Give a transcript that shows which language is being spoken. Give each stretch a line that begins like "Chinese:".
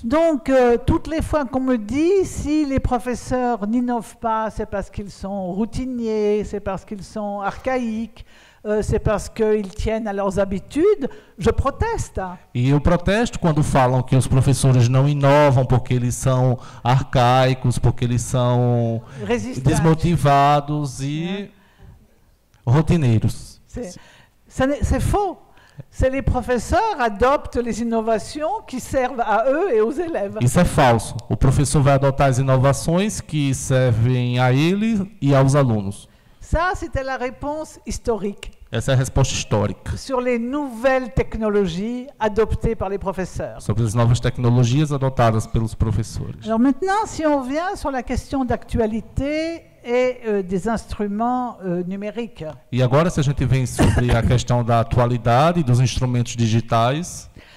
French: Donc toutes les fois qu'on me dit si les professeurs n'innovent pas, c'est parce qu'ils sont routiniers, c'est parce qu'ils sont archaïques, c'est parce qu'ils tiennent à leurs habitudes, je proteste.
Portuguese: E eu protesto quando falam que os professores não inovam porque eles são arcaicos, porque eles são desmotivados e rotineiros.
French: C'est faux. C'est les professeurs adoptent les innovations qui servent à eux et aux élèves.
Portuguese: Isso é falso. O professor vai adotar as inovações que servem a ele e aos alunos.
French: Ça, c'était la réponse historique.
Portuguese: Essa é a resposta histórica.
French: Sur les nouvelles technologies adoptées par les professeurs.
Portuguese: Sobre as novas tecnologias adotadas pelos professores.
French: Alors maintenant, si on vient sur la question d'actualité et des instruments numériques.
Portuguese: E agora, se a gente vem sobre a questão da atualidade e dos instrumentos digitais.